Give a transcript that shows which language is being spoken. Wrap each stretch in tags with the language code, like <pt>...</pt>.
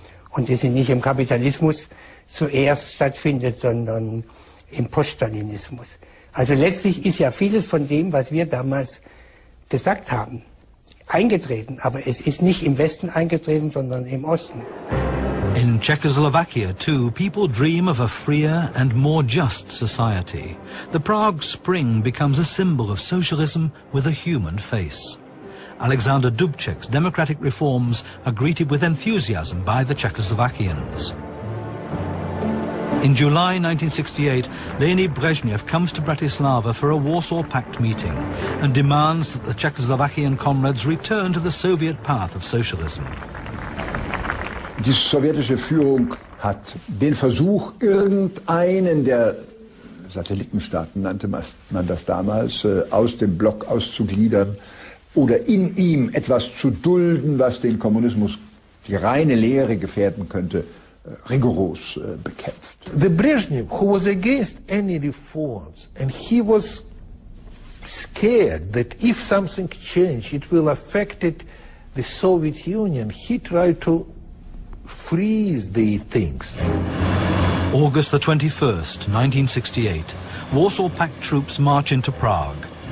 <de>Und die sind nicht im Kapitalismus zuerst stattfindet, sondern im Poststalinismus. Also letztlich ist ja vieles von dem, was wir damals gesagt haben, eingetreten. Aber es ist nicht im Westen eingetreten, sondern im Osten.</de> <en>In Czechoslovakia, too, people dream of a freer and more just society. The Prague Spring becomes a symbol of socialism with a human face. Alexander Dubček's democratic reforms are greeted with enthusiasm by the Czechoslovakians. In July 1968, Leonid Brezhnev comes to Bratislava for a Warsaw Pact meeting and demands that the Czechoslovakian comrades return to the Soviet path of socialism.</en> <de>Die sowjetische Führung hat den Versuch, irgendeinen der Satellitenstaaten, nannte man das damals, aus dem Block auszugliedern oder in ihm etwas zu dulden, was den Kommunismus, die reine Lehre, gefährden könnte, rigorous bekämpft.</de> <en>The Brezhnev, who was against any reforms, and he was scared that if something changed, it will affect the Soviet Union, he tried to freeze the things. August the 21st, 1968. Warsaw Pact troops march into Prague.</en>